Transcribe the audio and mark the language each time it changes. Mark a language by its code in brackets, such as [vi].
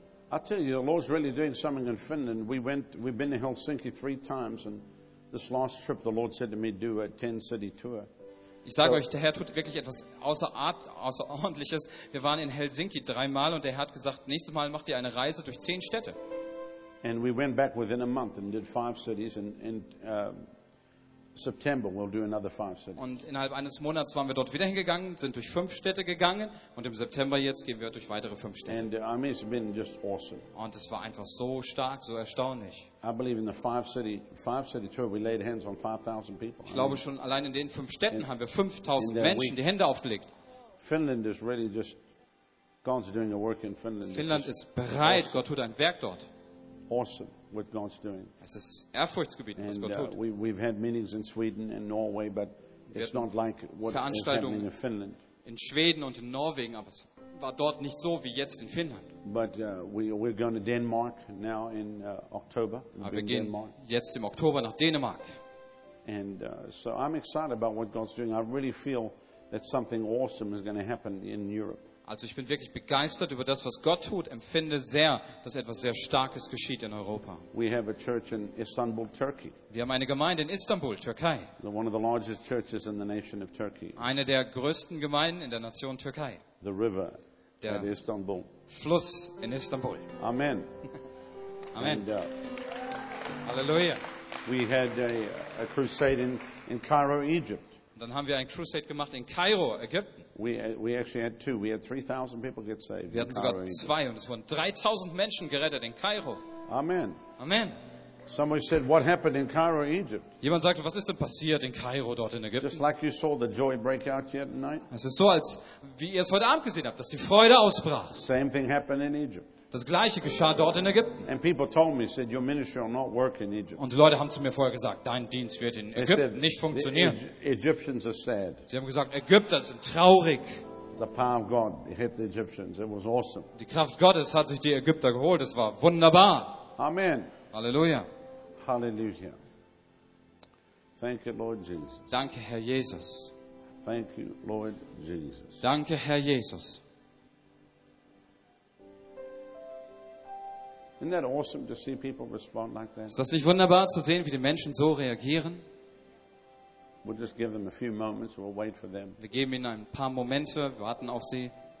[en] I tell you, the Lord's really doing something in Finland. We've been to Helsinki 3 times, and this last trip, the Lord said to me, do a 10-city tour. [de] Ich sage euch, der Herr tut wirklich etwas Außerordentliches. Wir waren in Helsinki 3 Mal, und der Herr hat gesagt, nächstes Mal macht ihr eine Reise durch 10 Städte. [en] And we went back within a month and did 5 cities, and September we'll do another 5 cities. [de] Und innerhalb eines Monats waren wir dort wieder hingegangen, sind durch 5 Städte gegangen, und im September jetzt gehen wir durch weitere 5 Städte. [en] And I mean, it's been just awesome. [de] Und es war einfach so stark, so erstaunlich. [en] I believe in the five city tour we laid hands on 5,000 people. [de] Ich glaube schon, allein in den 5 Städten haben wir 5,000 Menschen die Hände aufgelegt. [en] Finland is really just God's doing a work in Finland. [de] Finnland ist bereit, awesome. Gott tut ein Werk dort. [en] Awesome. What God's doing. [de] Es ist ehrfurchtsgebietend, was Gott tut. [en] We've had meetings in Sweden and Norway, but it's not like what is happening in Finland. [de] In Schweden und in Norwegen, aber es war dort nicht so wie jetzt in Finnland. [en] But we're going to Denmark now in October. [de] Aber wir gehen jetzt im Oktober nach Dänemark. [en] And so I'm excited about what God's doing. I really feel that something awesome is going to happen in Europe. [de] Also ich bin wirklich begeistert über das, was Gott tut, empfinde sehr, dass etwas sehr Starkes geschieht in Europa. [en] We have a church in Istanbul, Turkey. [de] Wir haben eine Gemeinde in Istanbul, Türkei. [en] One of the largest churches in the nation of Turkey. [de] Eine der größten Gemeinden in der Nation Türkei. [en] The river. [de] der Istanbul. Fluss in Istanbul. [en] Amen. [de] Amen. And, Halleluja. [en] We had a crusade in Cairo, Egypt. [de] Und dann haben wir einen Crusade gemacht in Kairo, Ägypten. [en] We actually had two. We had 3,000 people get saved. [de] Wir hatten sogar zwei und es wurden 3,000 Menschen gerettet in Kairo. [en] Amen. [de] Amen. [en] Somebody said, "What happened in Cairo, Egypt?" [de] Jemand sagte, was ist denn passiert in Kairo, dort in Ägypten? [en] Just like you saw the joy break out here tonight. [de] Es ist so, als wie ihr es heute Abend gesehen habt, dass die Freude ausbrach. [en] Same thing happened in Egypt. [de] Das gleiche geschah dort in Ägypten. Und Leute haben zu mir vorher gesagt, dein Dienst wird in Ägypten nicht funktionieren. [en] Egyptians are sad. [de] Sie haben gesagt, Ägypter sind traurig. [en] The power of God hit the Egyptians. It was awesome. [de] Die Kraft Gottes hat sich die Ägypter geholt. Es war wunderbar. [en] Amen. [de] Halleluja. [en] Halleluja. Thank you, Lord Jesus. [de] Danke, Herr Jesus. [en] Thank you, Lord Jesus. [de] Danke, Herr Jesus. [en] Isn't that awesome to see people respond like that? [de] Ist das nicht wunderbar zu sehen, wie die Menschen so reagieren? [en] We'll just give them a few moments. We'll wait for them. [de] Wir geben ihnen ein paar Momente, warten auf sie.